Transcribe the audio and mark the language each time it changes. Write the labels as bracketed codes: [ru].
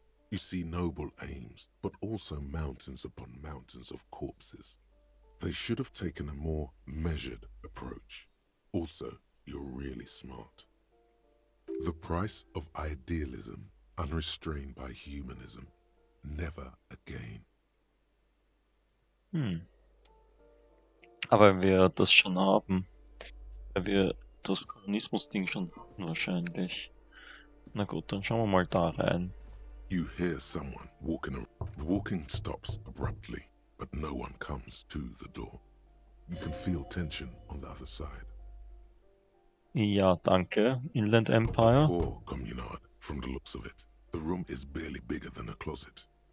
[en] You see noble aims, but also mountains upon mountains of corpses. They should have taken a more measured approach. Also, you're really smart. The price of idealism, unrestrained by humanism, never again. [de] Aber wenn wir das schon haben, wenn wir das Kommunismus-Ding schon haben, wahrscheinlich. Na gut, dann schauen wir mal da rein. [en] You hear someone walking around. The walking stops abruptly, but no one comes to the door. You can feel tension on the other side. [de] Ja, danke, Inland Empire. [en] A poor communard, from the looks of it. The room is barely bigger than a closet.